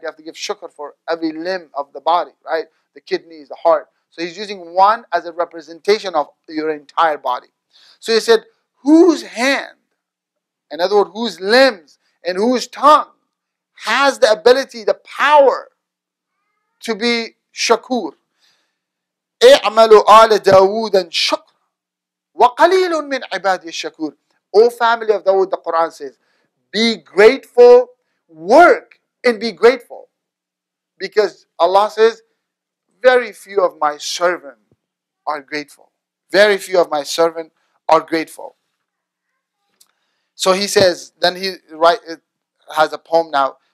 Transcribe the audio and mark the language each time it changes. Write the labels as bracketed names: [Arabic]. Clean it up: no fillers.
[English] They have to give shukr for every limb of the body, right? The kidneys, the heart. So he's using one as a representation of your entire body. So he said, whose hand, in other words, whose limbs and whose tongue has the ability, the power to be shakur? [Arabic] اعملوا آل داود شكر وقليل من عبادي الشكور. [English] O family of Dawood, the Quran says, be grateful, work and be grateful. Because Allah says, very few of my servants are grateful. Very few of my servants are grateful. So he says, then he write, has a poem now.